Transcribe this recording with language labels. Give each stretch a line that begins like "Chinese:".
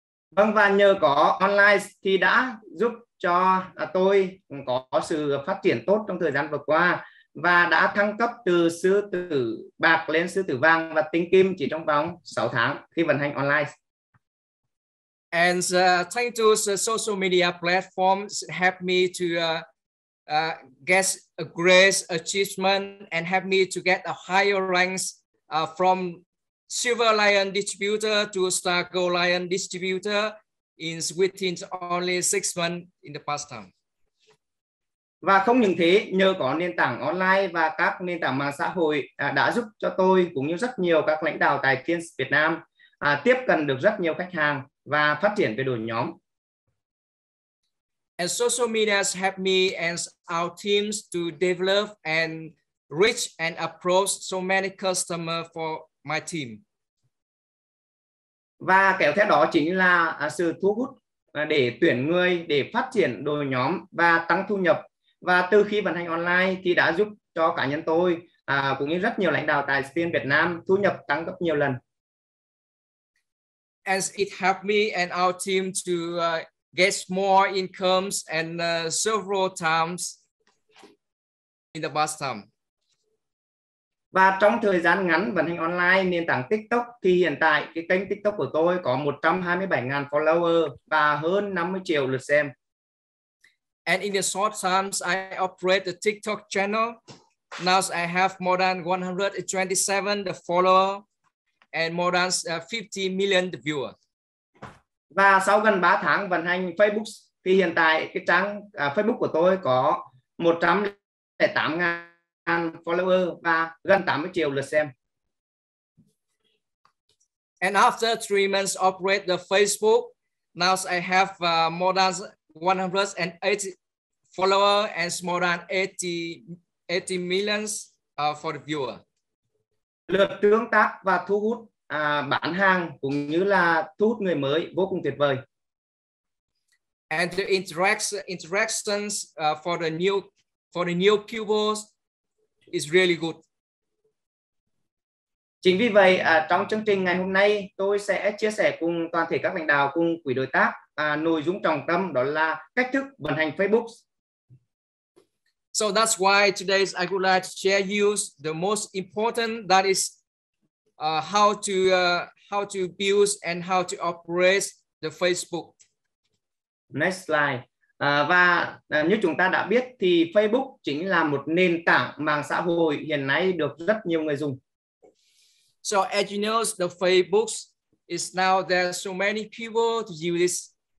Vietnamese: Vâng, và nhờ có online thì đã giúp cho tôi có sự phát triển tốt trong thời gian vừa qua và đã thăng cấp từ sư tử bạc lên sư tử vàng và tinh kim chỉ trong vòng 6 tháng khi vận hành online.
English: And thanks to the social media platforms help me to get a great achievement and help me to get a higher ranks from Silver Lion distributor to Star Gold Lion distributor in within only 6 months in the past time.
Vietnamese: Và không những thế, nhờ có nền tảng online và các nền tảng mạng xã hội đã giúp cho tôi cũng như rất nhiều các lãnh đạo tại Tiens Việt Nam tiếp cận được rất nhiều khách hàng và phát triển về đội nhóm.
English: And social media has helped me and our teams to develop and reach and approach so many customers for my team.
Vietnamese: Và kéo theo đó chính là sự thu hút để tuyển người, để phát triển đội nhóm và tăng thu nhập. Và từ khi vận hành online thì đã giúp cho cá nhân tôi cũng như rất nhiều lãnh đạo tại Spain Việt Nam thu nhập tăng gấp nhiều lần.
English: And it helped me and our team to get more incomes and several times in the past time.
Vietnamese: Và trong thời gian ngắn vận hành online nền tảng TikTok thì hiện tại cái kênh TikTok của tôi có 127.000 follower và hơn 50 triệu lượt xem.
English: And in the short times I operate the TikTok channel. Now I have more than 127 the follower and more than 50 million the viewer.
Vietnamese: Và sau gần 3 tháng vận hành Facebook thì hiện tại cái trang Facebook của tôi có 108.000 follower và gần 80 triệu lượt xem.
English: And after 3 months operate the Facebook, now I have more than 180 follower and more than 80 millions for the viewer.
Vietnamese: Lượt tương tác và thu hút bán hàng cũng như là thu hút người mới vô cùng tuyệt vời.
English: And the interactions for the new keywords is really good.
Vietnamese: Chính vì vậy, trong chương trình ngày hôm nay, tôi sẽ chia sẻ cùng toàn thể các lãnh đạo cùng quỹ đối tác nội dung trọng tâm đó là cách thức vận hành Facebook.
English: So that's why today I would like to share you the most important, that is how to build and how to operate the the Facebook. Next slide.
Vietnamese: Và như chúng ta đã biết thì Facebook chính là một nền tảng mạng xã hội hiện nay được rất nhiều người dùng.
English: So as you know, the Facebook is now there so many people to use this.